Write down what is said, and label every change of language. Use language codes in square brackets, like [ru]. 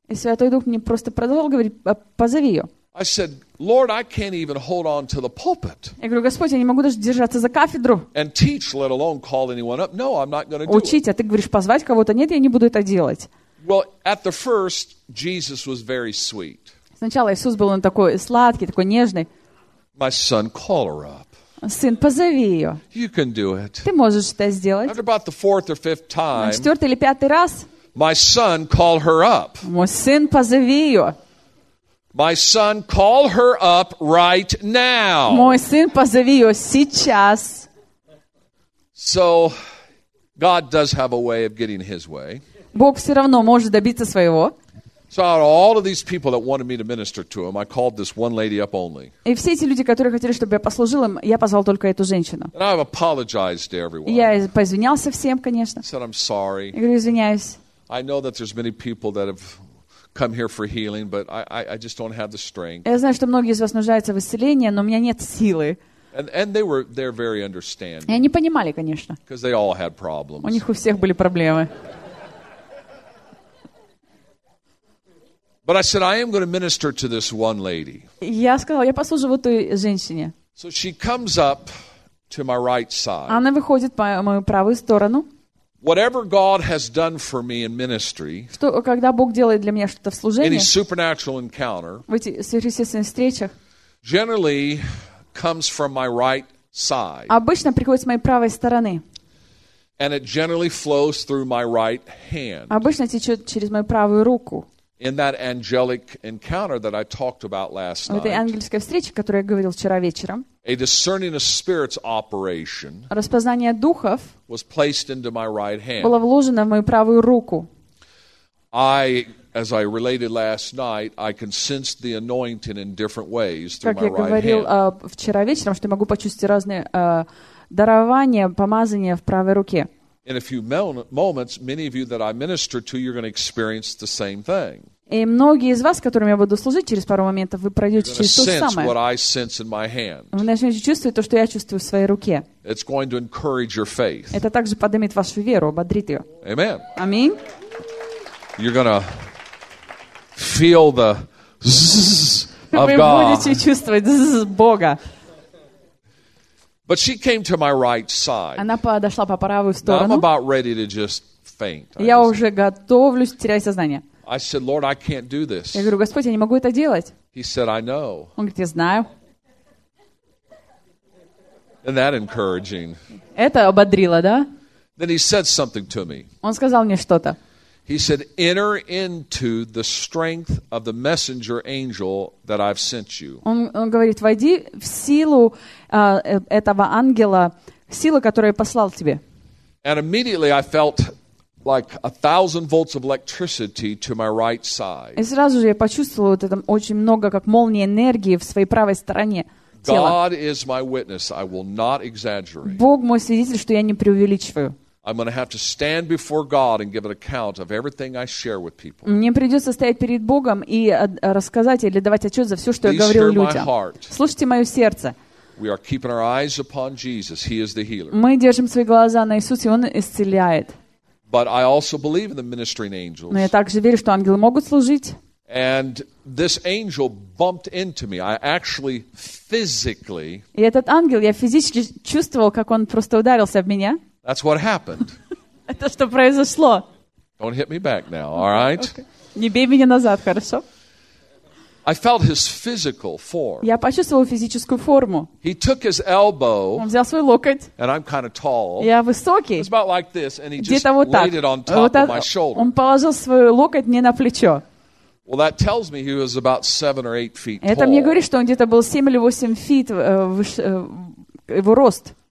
[ru] И Святой Дух мне просто продолжал говорить, позови ее. [en] I said, "Lord, I can't even hold on to the pulpit." [ru] Я говорю, Господь, я не могу даже держаться за кафедру. [en] And teach, let alone call anyone up. No, I'm not going to do it. [ru] Учить, а ты говоришь позвать кого-то? Нет, я не буду это делать. [en] Well, at the first, Jesus was very sweet. [ru] Сначала Иисус был он такой сладкий, такой нежный. [en] My son, call her up. [ru] Сын, позови ее. [en] You can do it. [ru] Ты можешь это сделать. [en] After about the fourth or fifth time. [ru] Четвертый или пятый раз. [en] My son, call her up. [ru] Мой сын, позови ее. [en] My son, call her up right now. [ru] Мой сын, позови ее сейчас. [en] So, God does have a way of getting His way. [ru] Бог все равно может добиться своего. [en] So, out of all of these people that wanted me to minister to him, I called this one lady up only. [ru] И все эти люди, которые хотели, чтобы я послужил им, я позвал только эту женщину. [en] And I apologized to everyone. [ru] Я извинялся всем, конечно. [en] Said I'm sorry. [ru] Я говорю, извиняюсь. [en] I know that there's many people that have come here for healing, but I just don't have the strength. [ru] Я знаю, что многие из вас нуждаются в исцелении, но у меня нет силы. [en] And they were they're very understanding. [ru] И они понимали, конечно. [en] Because they all had problems. [ru] У них у всех были проблемы. [en] But I said I am going to minister to this one lady. [ru] Я сказал, я послужу вот этой женщине. [en] So she comes up to my right side. [ru] Она выходит по мою правую сторону. [en] Whatever God has done for me in ministry, [ru] что, когда Бог делает для меня что-то в служении, [en] any supernatural encounter, [ru] в этих сверхъестественных встречах, [en] generally comes from my right side. [ru] Обычно приходит с моей правой стороны. [en] And it generally flows through my right hand. [ru] Обычно течет через мою правую руку. [en] In that angelic encounter that I talked about last night. [ru] В этой ангельской встрече, о которой я говорил вчера вечером. [en] A discerning of spirits operation. [ru] Распознание духов. [en] Was placed into my right hand. [ru] Было вложено в мою правую руку. [en] As I related last night, I can sense the anointing in different ways through hand. [ru] Как я говорил вчера вечером, что я могу почувствовать разные дарования, помазания в правой руке. [en] In a few moments, many of you that I minister to, you're going to experience the same thing. [ru] И многие из вас, которым я буду служить через пару моментов, вы пройдете через то же самое. [en] What I sense in my hand. [ru] Вы начнете чувствовать то, что я чувствую в своей руке. [en] It's going to encourage your faith. [ru] Это также поднимет вашу веру, ободрит ее. [en] Amen. [ru] Аминь. [en] You're gonna feel the zzz of God. [ru] Вы будете чувствовать зззз Бога. [en] But she came to my right side. [ru] Она подошла по правую сторону. [en] Now I'm about ready to just faint. [ru] Я уже готовлюсь терять сознание. [en] I said, Lord, I can't do this. [ru] Я говорю, Господь, я не могу это делать. [en] He said, I know. [ru] Он говорит, я знаю. [en] Isn't that encouraging? [ru] Это ободрило, да? [en] Then he said something to me. [ru] Он сказал мне что-то. [en] He said, enter into the strength of the messenger angel that I've sent you. [ru] Он говорит, войди в силу этого ангела, силу, которую я послал тебе. [en] And immediately I felt like 1,000 volts of electricity to my right side. [ru] И сразу же я почувствовал вот это очень много, как молнии энергии в своей правой стороне тела. [en] God is my witness. I will not exaggerate. [ru] Бог мой свидетель, что я не преувеличиваю. [en] I'm going to have to stand before God and give an account of everything I share with people. Мне придется стоять перед Богом и рассказать или давать отчет за все, что я говорил людям. [ru] Слушайте мое сердце. [en] We are keeping our eyes upon Jesus. He is the healer. [ru] Мы держим свои глаза на Иисусе, Он исцеляет. [en] But I also believe in the ministering angels. [ru] Но я также верю, что ангелы могут служить. [en] And this angel bumped into me. I actually physically. [ru] И этот ангел, я физически чувствовал, как он просто ударился об меня. [en] That's what happened. [ru] Это что произошло? [en] Don't hit me back now, all right? [ru] Не бей меня назад, хорошо? [en] I felt his physical form. [ru] Я почувствовал физическую форму. [en] He took his elbow. [ru] Он взял свой локоть. [en] And I'm kind of tall. [ru] Я высокий. [en] It's about like this, and he just laid it on top of my shoulder. [ru] Он положил свой локоть мне на плечо. [en] Well, that tells me he was about 7 or 8 feet tall. [ru] Это мне говорит, что он где-то был 7 или 8 feet его рост.